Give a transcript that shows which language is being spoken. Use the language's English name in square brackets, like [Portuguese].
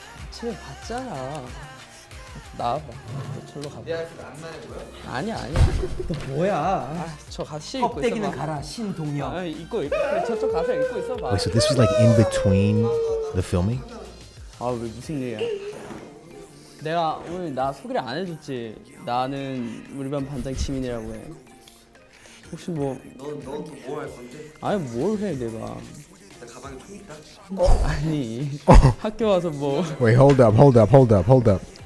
[Korean] 쟤 봤잖아. 나와봐. 저로 가봐. 얘한테 낭만해 보여? 아니야, 아니야. 너 뭐야? 아, 저 같이 입고 껍데기는 가라, 신동혁. 아, 입고, 입고. 저쪽 가서 입고 있어봐. [English] Wait, so this was like in between the filming? [Korean] 아, 왜 무슨 일이야? 내가 오늘 나 소개를 안 해줬지. 나는 우리 반 반장 지민이라고 해. 혹시 뭐... 넌 또 뭐 할 건데? 아니, 뭘 해, 내가. 가방에 총 있다? 아니 학교 와서 뭐 [English] Wait, hold up